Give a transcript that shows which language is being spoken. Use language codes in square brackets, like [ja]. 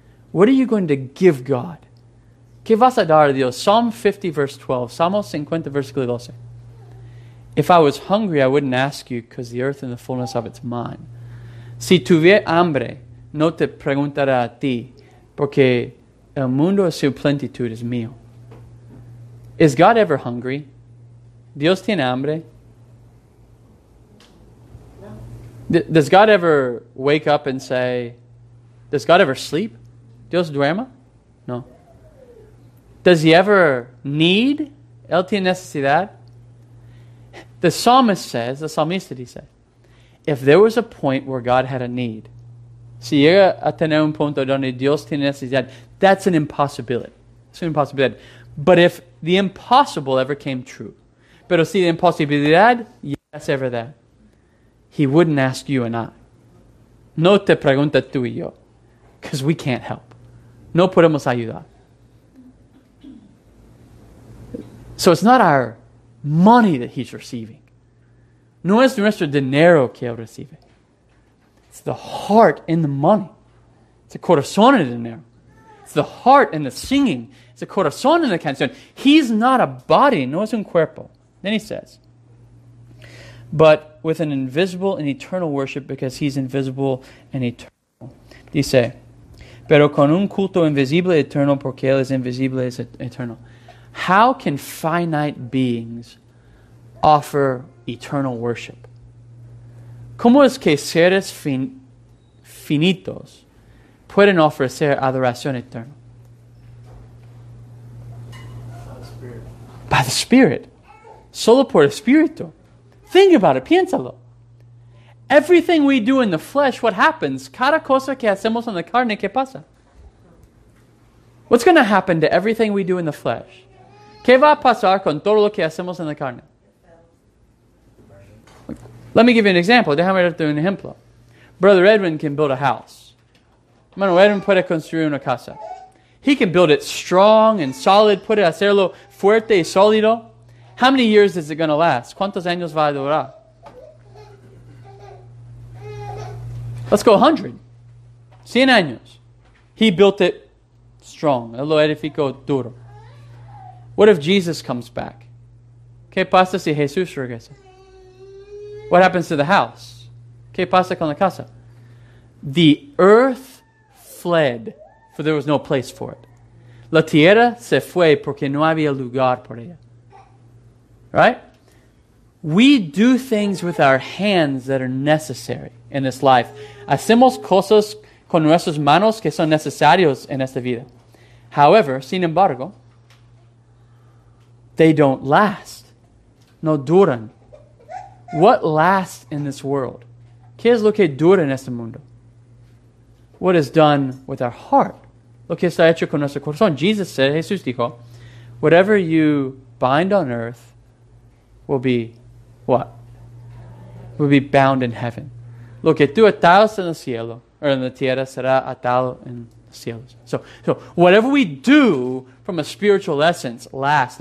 [en] What are you going to give God? [es] ¿Qué vas a dar a Dios? [en] Psalm 50, verse 12. [es] Salmo 50, versículo 12. [en] If I was hungry, I wouldn't ask you, because the earth and the fullness of it's mine. [es] Si tuviera hambre, no te preguntara a ti, porque el mundo y su plenitud es mío. [en] Is God ever hungry? [es] ¿Dios tiene hambre? [en] Does God ever wake up and say, does God ever sleep? [es] ¿Dios duerma? No. [en] Does he ever need? [es] ¿Él tiene necesidad? [en] The psalmist says, the psalmist that he said, if there was a point where God had a need, [es] si llega a tener un punto donde Dios tiene necesidad, [en] that's an impossibility. It's an impossibility. But if the impossible ever came true, [es] pero si la imposibilidad, [en] yes, ever that, he wouldn't ask you and I. [es] No te pregunta tú y yo. [en] Because we can't help. [es] No podemos ayudar. [en] So it's not our money that he's receiving. [es] No es nuestro dinero que él recibe. [en] It's the heart in the money. It's the [es] corazón en el dinero. [en] It's the heart in the singing. It's the [es] corazón en la canción. [en] He's not a body. [es] No es un cuerpo. [en] Then he says, but with an invisible and eternal worship, because he's invisible and eternal. [es] Dice, pero con un culto invisible y eterno, porque él es invisible y es eterno. [en] How can finite beings offer eternal worship? [es] ¿Cómo es que seres infinitos pueden ofrecer adoración eterna? [en] By the Spirit. [es] Solo por Espíritu. [en] Think about it, [es] piénsalo. [en] Everything we do in the flesh, what happens? [es] Cada cosa que hacemos en la carne, ¿qué pasa? [en] What's going to happen to everything we do in the flesh? [es] ¿Qué va a pasar con todo lo que hacemos en la carne? [en] Let me give you an example. [es] Déjame darte un ejemplo. [en] Brother Edwin can build a house. [es] Hermano Edwin puede construir una casa. [en] He can build it strong and solid. [es] Puede hacerlo fuerte y sólido. [en] How many years is it going to last? [es] ¿Cuántos años va a durar? [en] Let's go 100. [es] 100 años. [en] He built it strong. [es] Él lo edificó duro. [en] What if Jesus comes back? [es] ¿Qué pasa si Jesús regresa? [en] What happens to the house? [es] ¿Qué pasa con la casa? [en] The earth fled, for there was no place for it. [es] La tierra se fue porque no había lugar por ella. [en] Right? We do things with our hands that are necessary in this life. [es] Hacemos cosas con nuestras manos que son necesarios en esta vida. [en] However, [es] sin embargo, [en] they don't last. [es] No duran. [en] What lasts in this world? [es] ¿Qué es lo que dura en este mundo? [en] What is done with our heart? [es] Lo que está hecho con nuestro corazón. [en] Jesus said, [es] Jesús dijo, [en] whatever you bind on earth will be what? Will be bound in heaven. [es] Lo que tú atas en el cielo, or en la tierra, será atado en los cielos. [en] So whatever we do from a spiritual essence lasts.